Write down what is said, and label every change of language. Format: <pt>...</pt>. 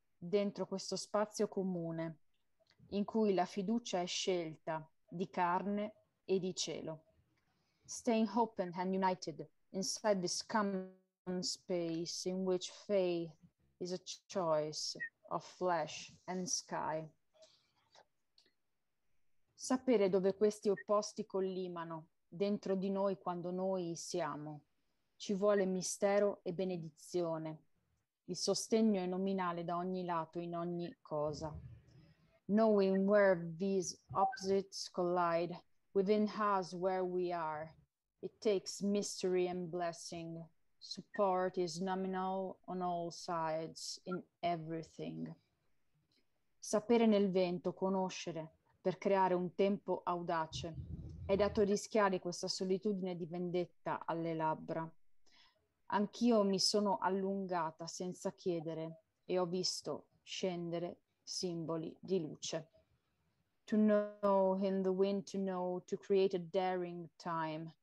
<it>Dentro questo spazio comune in cui la fiducia è scelta di carne e di cielo.</it> <en>Staying open and united inside this common space in which faith is a choice of flesh and sky.</en> <it>Sapere dove questi opposti collimano dentro di noi quando noi siamo. Ci vuole mistero e benedizione. Il sostegno è nominale da ogni lato, in ogni cosa.</it> <en>Knowing where these opposites collide, within us where we are, it takes mystery and blessing. Support is nominal on all sides, in everything.</en> <it>Sapere nel vento, conoscere, per creare un tempo audace, Hai dato rischiare questa solitudine di vendetta alle labbra. Anch'io mi sono allungata senza chiedere e ho visto scendere simboli di luce.</it> <en>To know in the wind, to know, to create a daring time.</en>